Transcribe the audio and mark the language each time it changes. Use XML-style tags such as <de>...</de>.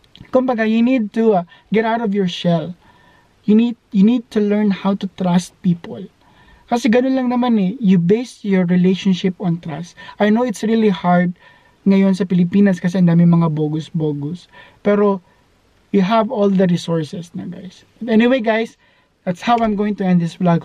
<en>Kumbaga, you need to get out of your shell. You need to learn how to trust people.</en> <tl>Kasi ganun lang naman eh,</tl> <en>you base your relationship on trust. I know it's really hard</en> <tl>ngayon sa Pilipinas kasi ang dami mga bogus-bogus. Pero,</tl> <en>you have all the resources na, guys. But anyway, guys, that's how I'm going to end this vlog.</en>